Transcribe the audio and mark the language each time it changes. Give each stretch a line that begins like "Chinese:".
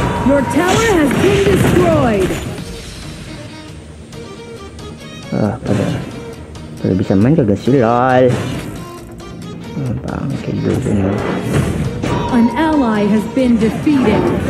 English: Your tower has been destroyed.
Indonesian: Ah, pada bisa main kagak sih, lol. Bangke juga nih.
English: An ally has been defeated.